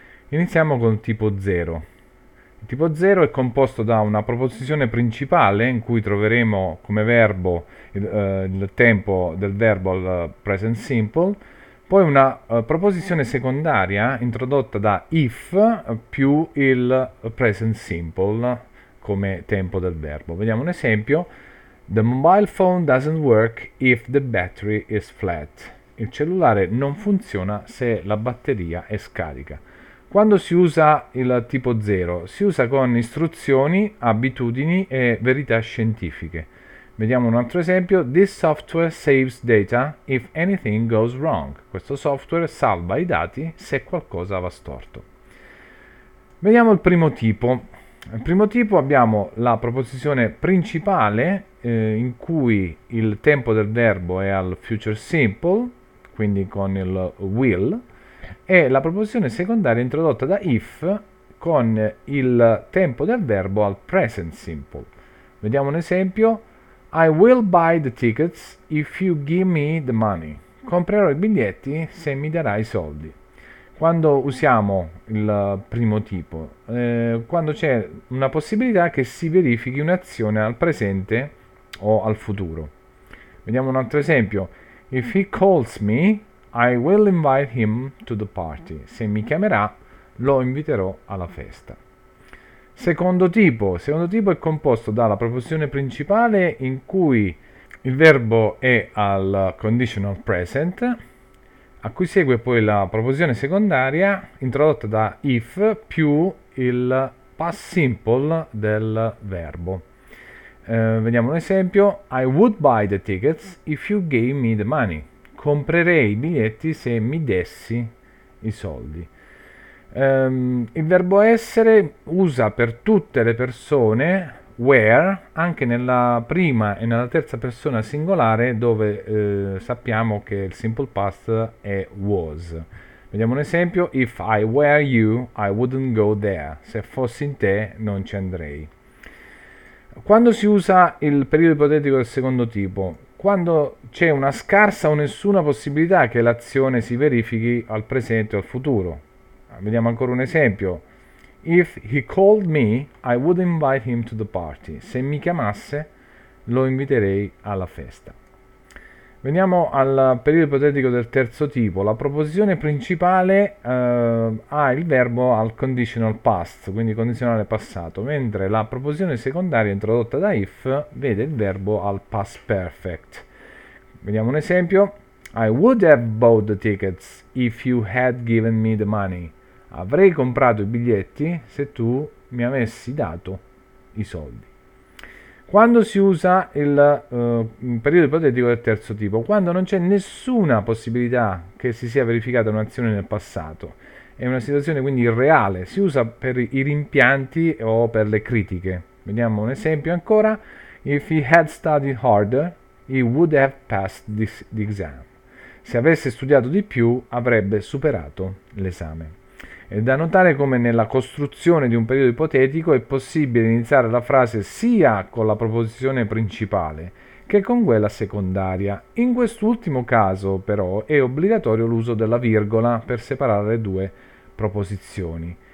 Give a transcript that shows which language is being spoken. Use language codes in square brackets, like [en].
[it] Iniziamo con il tipo 0. Il tipo 0 è composto da una proposizione principale in cui troveremo come verbo il tempo del verbo al present simple, poi una proposizione secondaria introdotta da if più il present simple come tempo del verbo. Vediamo un esempio. [en] The mobile phone doesn't work if the battery is flat. [it] Il cellulare non funziona se la batteria è scarica. Quando si usa il tipo 0? Si usa con istruzioni, abitudini e verità scientifiche. Vediamo un altro esempio. [en] This software saves data if anything goes wrong. [it] Questo software salva i dati se qualcosa va storto. Vediamo il primo tipo. Nel primo tipo abbiamo la proposizione principale in cui il tempo del verbo è al future simple, quindi con il will, e la proposizione secondaria introdotta da if con il tempo del verbo al present simple. Vediamo un esempio. [en] I will buy the tickets if you give me the money. [it] Comprerò i biglietti se mi darai i soldi. Quando usiamo il primo tipo, quando c'è una possibilità che si verifichi un'azione al presente o al futuro. Vediamo un altro esempio. [en] If he calls me, I will invite him to the party. [it] Se mi chiamerà, lo inviterò alla festa. Secondo tipo è composto dalla proposizione principale in cui il verbo è al conditional present, a cui segue poi la proposizione secondaria introdotta da if più il past simple del verbo. Vediamo un esempio. [en] I would buy the tickets if you gave me the money. [it] Comprerei i biglietti se mi dessi i soldi. Il verbo essere usa per tutte le persone where, anche nella prima e nella terza persona singolare, dove sappiamo che il simple past è was. Vediamo un esempio. [en] If I were you, I wouldn't go there. [it] Se fossi in te, non ci andrei. Quando si usa il periodo ipotetico del secondo tipo? Quando c'è una scarsa o nessuna possibilità che l'azione si verifichi al presente o al futuro. Vediamo ancora un esempio. [en] If he called me, I would invite him to the party. [it] Se mi chiamasse, lo inviterei alla festa. Veniamo al periodo ipotetico del terzo tipo. La proposizione principale ha il verbo al conditional past, quindi condizionale passato, mentre la proposizione secondaria introdotta da if vede il verbo al past perfect. Vediamo un esempio. [en] I would have bought the tickets if you had given me the money. [it] Avrei comprato i biglietti se tu mi avessi dato i soldi. Quando si usa il periodo ipotetico del terzo tipo? Quando non c'è nessuna possibilità che si sia verificata un'azione nel passato. È una situazione quindi irreale. Si usa per i rimpianti o per le critiche. Vediamo un esempio ancora. [en] If he had studied harder, he would have passed the exam. [it] Se avesse studiato di più, avrebbe superato l'esame. È da notare come nella costruzione di un periodo ipotetico è possibile iniziare la frase sia con la proposizione principale che con quella secondaria. In quest'ultimo caso, però, è obbligatorio l'uso della virgola per separare le due proposizioni.